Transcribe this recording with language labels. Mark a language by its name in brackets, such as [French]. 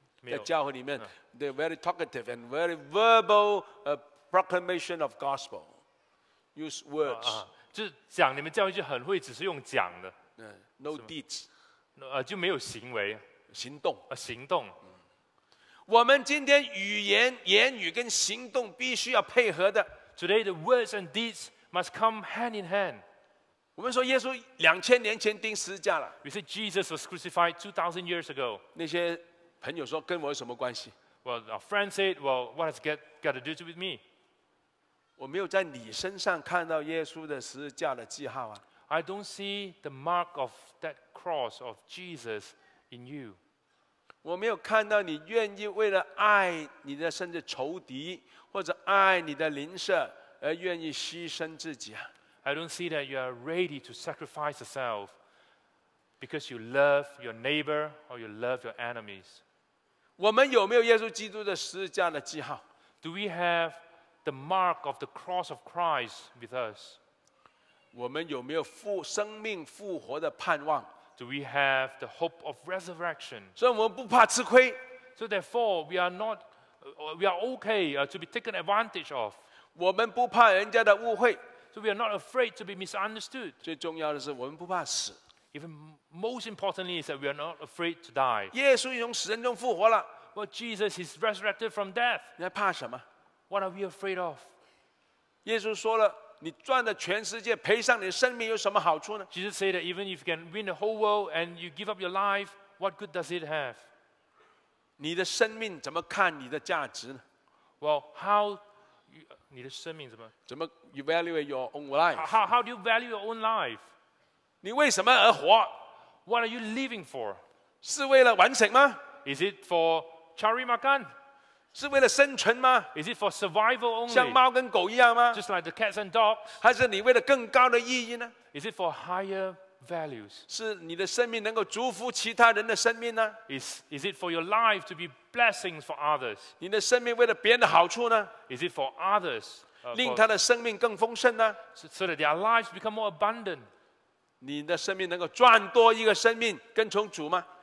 [Chinese] 在教会里面 [English] they're very talkative and very verbal proclamation of gospel. Use words. [Chinese] 就讲你们教会就很会只是用讲的。 [English] No deeds. [Chinese] 就没有行为。行动。行动。我们今天语言、言语跟行动必须要配合的。 [English] Today the words and deeds must come hand in hand. [Chinese] 我们说耶稣2000年前钉十字架了。 [English] We said Jesus was crucified 2000 years ago. [Chinese] 那些朋友说跟我有什么关系？ [English] Well, our friend said, well, what has got to do with me? [Chinese] 我没有在你身上看到耶稣的十字架的记号啊。 [English] I don't see the mark of that cross of Jesus in you. [Chinese] 我没有看到你愿意为了爱你的甚至仇敌或者爱你的邻舍而愿意牺牲自己啊。 [English] I don't see that you are ready to sacrifice yourself because you love your neighbor or you love your enemies. [Chinese] 我们有没有耶稣基督的十字架的记号？ [English] Do we have the mark of the cross of Christ with us? [Chinese] 我们有没有复生命复活的盼望？ [English] Do we have the hope of resurrection? [Chinese] 所以我们不怕吃亏。 [English] So therefore, we are okay to be taken advantage of. [Chinese] 我们不怕人家的误会。 [English] So we are not afraid to be misunderstood. [Chinese] 最重要的是我们不怕死。 [English] Even most importantly is that we are not afraid to die. [Chinese] 耶稣已从死人中复活了。 [English] Well, Jesus is resurrected from death. [Chinese] 你还怕什么？ [English] What are we afraid of? [Chinese] 耶稣说了，你赚了全世界，赔上你的生命有什么好处呢？ [English] Jesus said that even if you can win the whole world and you give up your life, what good does it have? [Chinese] 你的生命怎么看你的价值呢？ [English] Well, how you, [Chinese] 你的生命怎么？怎么 [English] you value your own life? How do you value your own life? [Chinese] 你为什么而活？ [English] What are you living for? [Chinese] 是为了完成吗？ [English] Is it for [Malay] cari makan? [Chinese] 是为了生存吗？ [English] Is it for survival only? [Chinese] 像猫跟狗一样吗？ [English] Just like the cats and dogs. [Chinese] 还是你为了更高的意义呢？ [English] Is it for higher values? [Chinese] 是你的生命能够祝福其他人的生命呢？ [English] Is it for your life to be blessings for others? [Chinese] 你的生命为了别人的好处呢？ [English] Is it for others? [Chinese] 令他的生命更丰盛呢？ [English] So that their lives become more abundant. [Chinese] 你的生命能够赚多一个生命跟从主吗？